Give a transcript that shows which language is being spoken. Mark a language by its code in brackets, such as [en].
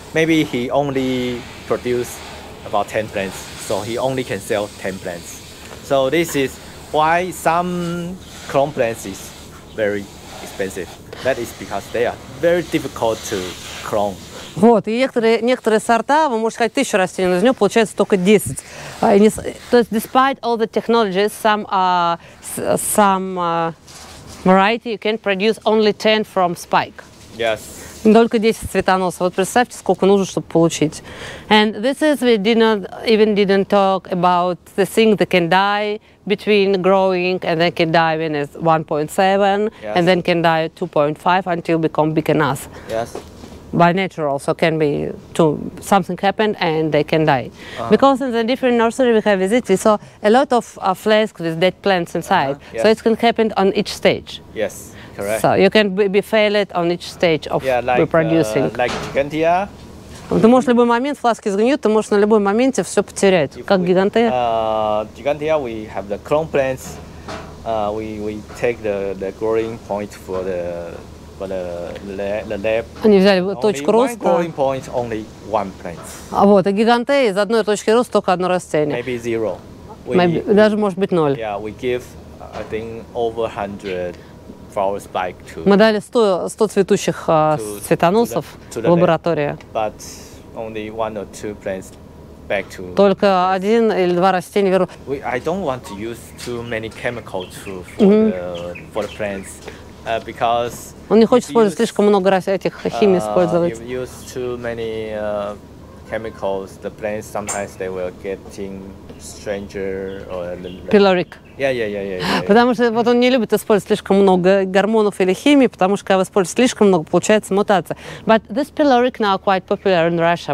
[en] Maybe he only produce about 10 plants, so he only can sell 10 plants. So this is why some clone plants is very expensive. That is because they are very difficult to clone. [ru] Вот, и некоторые сорта, вы можете сказать, 1000 растений, но из него получается только 10. То есть, [en] despite all the technologies, some variety you can produce only 10 from spike. Yes. [ru] Только 10 цветоносов. Вот представьте, сколько нужно, чтобы получить. [en] And this is, we didn't talk about the thing that can die between growing, and then can die when it's 1.7, yes, and then can die 2.5 until become big enough. Yes. By nature also can be to something happen and they can die. Uh-huh. Because in the different nursery we have visited, we saw a lot of flasks with dead plants inside. Uh-huh. Yes. So it can happen on each stage. Yes. Correct. So you can be failed on each stage of reproducing. Yeah, like gigantea. [ru] Ты можешь в любой момент фласки сгниют, ты можешь на любой моменте все потерять, как гигантея. [en] Gigantea, we have the clone plants. We take the growing point for the lab. [ru] Они взяли точку роста. [en] Only one growing point, only one plant. [ru] А вот и гигантея из одной точки роста только одно растение. [en] Maybe zero. [ru] Даже может быть ноль. [en] Yeah, we give I think over 100. [ru] Мы дали 100 цветущих цветоносов в лаборатории. [en] But only one or two plants back to. [ru] Только один или два растения вернули. [en] I don't want to use too many chemicals for the plants, because. [ru] Он не хочет использовать слишком много этих химий использовать. [en] If you use too many chemicals, the plants sometimes they will getting stranger or. Pyloric. Yeah. [ru] Потому что вот он не любит использовать слишком много гормонов или химии, потому что когда вы используете слишком много, получается мутация. [en] But this pyloric now quite popular in Russia.